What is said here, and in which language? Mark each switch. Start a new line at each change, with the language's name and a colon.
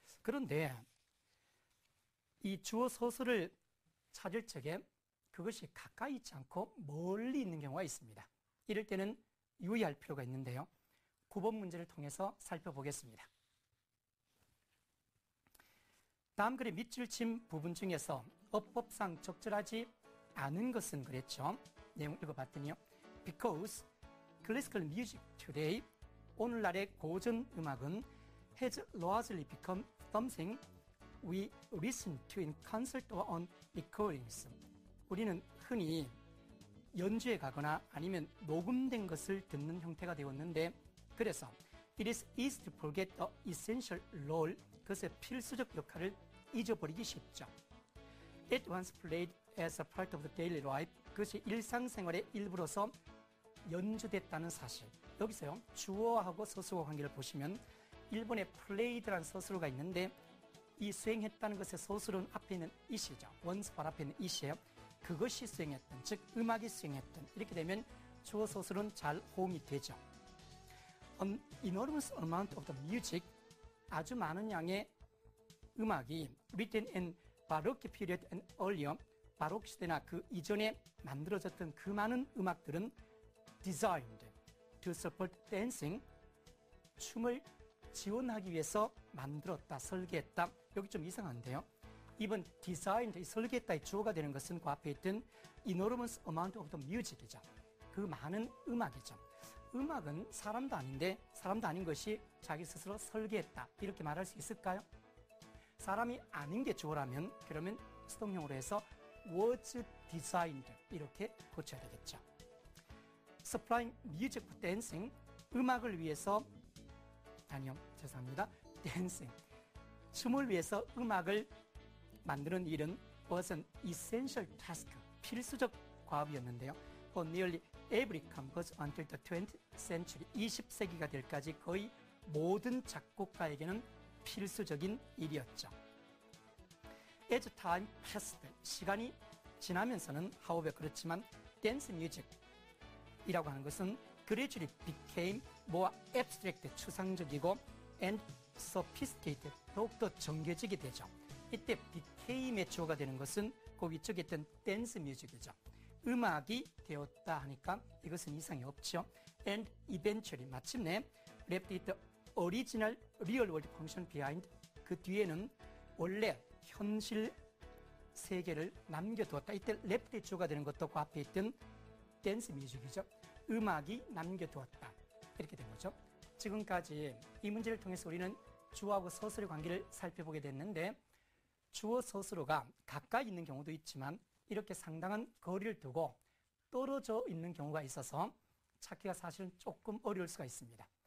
Korean: 그런데 이 주어 서술어를 찾을 적에 그것이 가까이 있지 않고 멀리 있는 경우가 있습니다. 이럴 때는 유의할 필요가 있는데요. 9번 문제를 통해서 살펴보겠습니다. 다음 글의 밑줄 친 부분 중에서 어법상 적절하지 않은 것은 그랬죠. 내용 읽어봤더니요.
English: Because classical music today,
Korean: 오늘날의 고전 음악은
English: has largely become something we listen to in concert or on recordings.
Korean: 우리는 흔히 연주에 가거나 아니면 녹음된 것을 듣는 형태가 되었는데, 그래서
English: it is easy to forget the essential role,
Korean: 그것의 필수적 역할을 잊어버리기 쉽죠.
English: It once played as a part of the daily life.
Korean: 그것이 일상생활의 일부로서 연주됐다는 사실. 여기서요, 주어하고 서술어 관계를 보시면 일본의 played라는 서술어가 있는데 이 수행했다는 것의 서술어는 앞에 있는 it이죠. Once 발 앞에 있는 it이에요. 그것이 수행했던, 즉 음악이 수행했던, 이렇게 되면 주어 서술어는 잘 호응이 되죠.
English: An enormous amount of the music,
Korean: 아주 많은 양의 음악이
English: written in Baroque period and earlier,
Korean: Baroque 시대나 그 이전에 만들어졌던 그 많은 음악들은
English: designed to support dancing,
Korean: 춤을 지원하기 위해서 만들었다, 설계했다. 여기 좀 이상한데요. 이번 designed, 설계했다의 주어가 되는 것은 그 앞에 있던
English: enormous amount of the music
Korean: 이죠. 그 많은 음악이죠. 음악은 사람도 아닌데 사람도 아닌 것이 자기 스스로 설계했다, 이렇게 말할 수 있을까요? 사람이 아닌 게 주어라면 그러면 수동형으로 해서 was designed, 이렇게 고쳐야 되겠죠.
English: Supplying music for dancing,
Korean: 음악을 위해서, 아니요 죄송합니다, dancing, 춤을 위해서 음악을 만드는 일은
English: was an essential task,
Korean: 필수적 과업이었는데요.
English: For nearly every composer until the 20th century,
Korean: 20세기가 될까지 거의 모든 작곡가에게는 필수적인 일이었죠.
English: As time passed,
Korean: 시간이 지나면서는
English: however
Korean: 그렇지만 dance music이라고 하는 것은
English: gradually became more abstract,
Korean: 추상적이고
English: and sophisticated,
Korean: 더욱더 정교적이 되죠. 이때 became의 주어가 되는 것은 그 위쪽에 있던 댄스 뮤직이죠. 음악이 되었다 하니까 이것은 이상이 없죠.
English: And eventually,
Korean: 마침내
English: left the original real world function behind,
Korean: 그 뒤에는 원래 현실 세계를 남겨두었다. 이때 left의 주어가 되는 것도 그 앞에 있던 댄스 뮤직이죠. 음악이 남겨두었다. 이렇게 된 거죠. 지금까지 이 문제를 통해서 우리는 주어하고 서술의 관계를 살펴보게 됐는데, 주어 서술어가 가까이 있는 경우도 있지만 이렇게 상당한 거리를 두고 떨어져 있는 경우가 있어서 찾기가 사실은 조금 어려울 수가 있습니다.